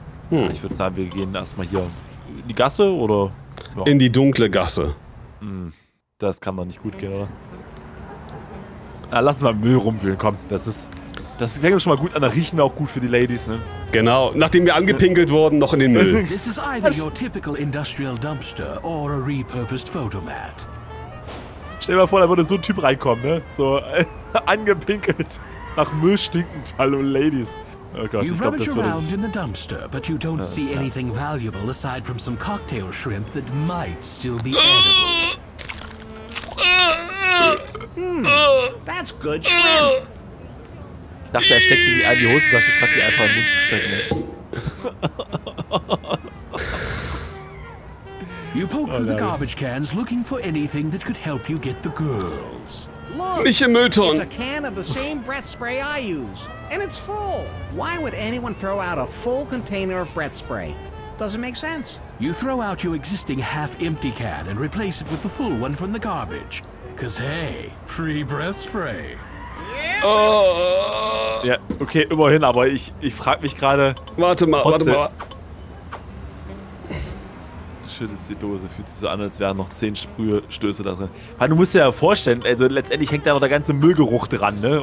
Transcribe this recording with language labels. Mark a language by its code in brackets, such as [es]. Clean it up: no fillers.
[de] Ja, ich würde sagen, wir gehen erstmal hier in die Gasse oder. Ja. In die dunkle Gasse. Das kann doch nicht gut gehen, oder? Ah, lass mal Müll rumwühlen, komm. Das fängt uns schon mal gut an, da riechen wir auch gut für die Ladies, ne? Genau, nachdem wir angepinkelt wurden, noch in den Müll. [en] This is either your typical industrial dumpster or a repurposed photomat. [de] Stell dir mal vor, da würde so ein Typ reinkommen, ne? So angepinkelt, nach Müll stinkend. Hallo Ladies. Oh Gott, ich glaube, das würde [en] around in the dumpster, but you don't see anything valuable aside from some cocktail shrimp that might still be edible. That's good shrimp. [de] Ich dachte, er steckt sie sich in die Hosentasche, statt die einfach in den Mund zu stecken. [en] You poke through the garbage cans looking for anything that could help you get the girls. Look, [de] nicht im Mülltonnen. [en] It's a can of the same breath spray I use. And it's full. Why would anyone throw out a full container of breath spray? Doesn't make sense. You throw out your existing half-empty can and replace it with the full one from the garbage. Cause hey, free breath spray. [de] Oh. Ja, okay, immerhin, aber ich frag mich gerade. Warte mal. Du schüttelst die Dose, fühlt sich so an, als wären noch 10 Sprühstöße da drin. Weil du musst dir ja vorstellen, also letztendlich hängt da noch der ganze Müllgeruch dran, ne?